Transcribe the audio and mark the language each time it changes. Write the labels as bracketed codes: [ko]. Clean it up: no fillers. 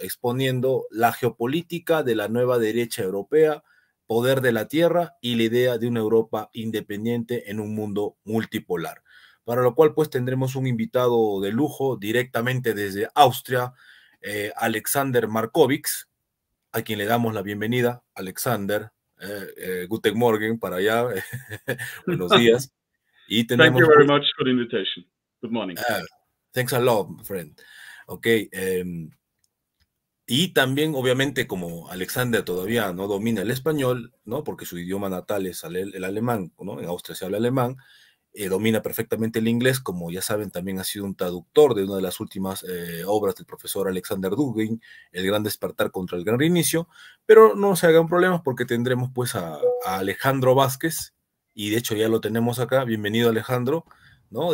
[es] Exponiendo la geopolítica de la nueva derecha europea, poder de la tierra y la idea de una Europa independiente en un mundo multipolar. Para lo cual, pues, tendremos un invitado de lujo directamente desde Austria, Alexander Markovics, a quien le damos la bienvenida. Alexander, [de] guten Morgen [es] para allá, buenos días. Y tenemos, [en] thank you very much for the invitation. Good morning. Thanks a lot, friend. Okay. [es] Y también, obviamente, como Alexander todavía no domina el español, ¿no? Porque su idioma natal es el alemán, ¿no? En Austria se habla alemán. Domina perfectamente el inglés, como ya saben, también ha sido un traductor de una de las últimas obras del profesor Alexander Dugin, El Gran Despertar contra el Gran Reinicio, pero no se hagan problemas porque tendremos pues a Alejandro Vázquez, y de hecho ya lo tenemos acá, bienvenido Alejandro, ¿no?